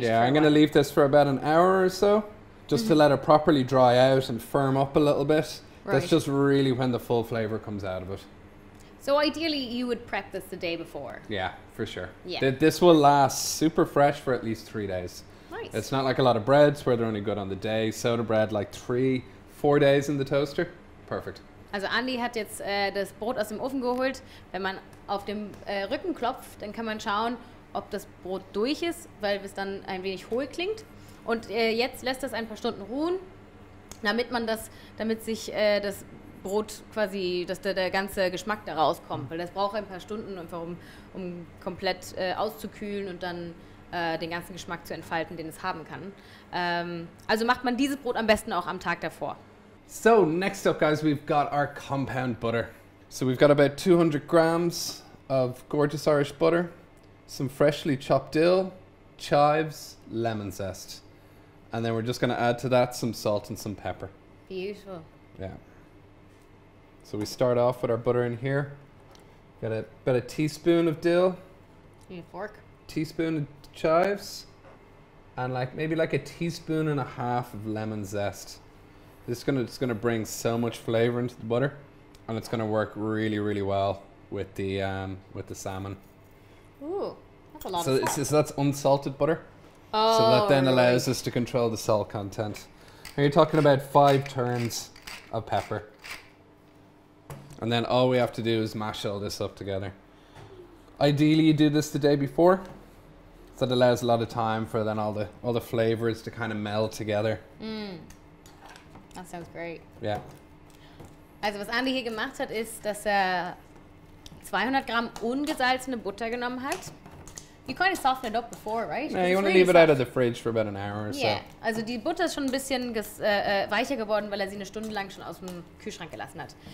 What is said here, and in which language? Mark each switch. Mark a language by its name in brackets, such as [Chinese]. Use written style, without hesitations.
[English] Yeah, I'm going to leave this for about an hour or so, just to let it properly dry out and firm up a little bit. Right. That's just really when the full flavor comes out of it. So ideally, you would prep this the day before. Yeah, for sure. Yeah. This will last super fresh for at least 3 days. Nice. It's not like a lot of breads where they're only good on the day. Soda bread, like 3-4 days in the toaster. Perfect. [German] Also Andy hat jetzt das Brot aus dem Ofen geholt. Wenn man auf dem Rücken klopft, dann kann man schauen, ob das Brot durch ist, weil es dann ein wenig hohl klingt. Und jetzt lässt es ein paar Stunden ruhen, damit sich das Brot quasi, dass der ganze Geschmack da rauskommt. Weil das braucht ein paar Stunden, einfach um komplett auszukühlen und dann den ganzen Geschmack zu entfalten, den es haben kann. Also macht man dieses Brot am besten auch am Tag davor. [English] So next up, guys, we've got our compound butter. So we've got about 200 grams of gorgeous Irish butter, some freshly chopped dill, chives, lemon zest. And then we're just going to add to that some salt and some pepper. Beautiful. Yeah. So we start off with our butter in here. Got about a teaspoon of dill. Need a fork. Teaspoon of chives. And like maybe like a teaspoon and a half of lemon zest. This is gonna bring so much flavor into the butter, and it's gonna work really, really well with the salmon. Ooh, that's a lot of salt. So that's unsalted butter. Oh, so that then really allows us to control the salt content. Now you're talking about 5 turns of pepper. And then all we have to do is mash all this up together. Ideally you do this the day before. So that allows a lot of time for then all the flavors to kind of meld together. Mm. That sounds great. Yeah. [German] Also was Andy hier gemacht hat, ist, dass er 200 Gramm ungesalzene Butter genommen hat. [English] You kind of softened it up before, right? Yeah, you want to leave it out of the fridge for about an hour or so. [German] Yeah, also die Butter ist schon ein bisschen weicher geworden, weil er sie eine Stunde lang schon aus dem Kühlschrank gelassen hat.